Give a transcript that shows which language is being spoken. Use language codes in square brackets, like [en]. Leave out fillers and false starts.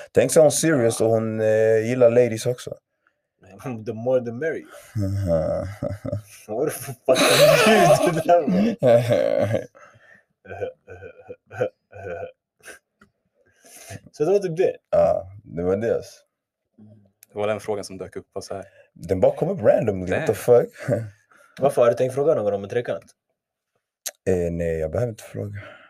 [sv] Tänk så hon serious och hon gillar ladies också. [en] The more the merrier. What the fuck are you doing to them? [sv] Så det var typ det? Ja, det var det alltså. Det var den frågan som dök upp och så här. Den bara kom upp randomly, [en] what the fuck? [sv] Varför har du tänkt fråga någon om en trekant? Nej, jag behöver inte fråga.